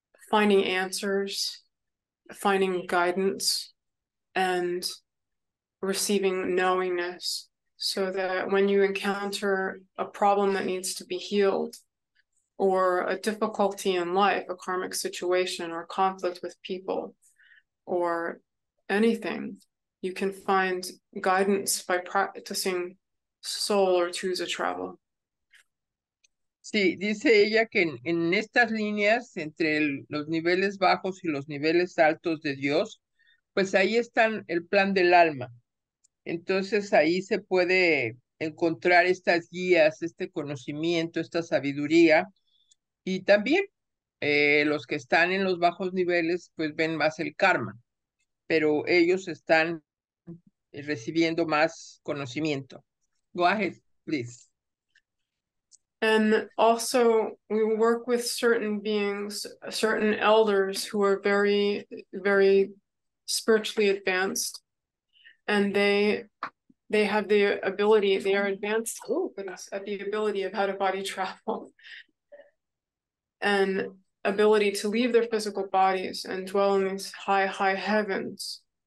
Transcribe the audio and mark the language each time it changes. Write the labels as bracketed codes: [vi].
[en] finding answers, finding guidance, and receiving knowingness, so that when you encounter a problem that needs to be healed, or a difficulty in life, a karmic situation, or conflict with people, or anything, you can find guidance by practicing soul or tools of travel. [es] Sí, dice ella que en estas líneas entre los niveles bajos y los niveles altos de Dios, pues ahí están el plan del alma. Entonces ahí se puede encontrar estas guías, este conocimiento, esta sabiduría. Y también los que están en los bajos niveles, pues ven más el karma, pero ellos están recibiendo más conocimiento. [en] Go ahead, please. And also we work with certain beings, certain elders who are very, very spiritually advanced, and they have the ability, they are advanced at the ability of how to body travel and ability to leave their physical bodies and dwell in these high, high heavens.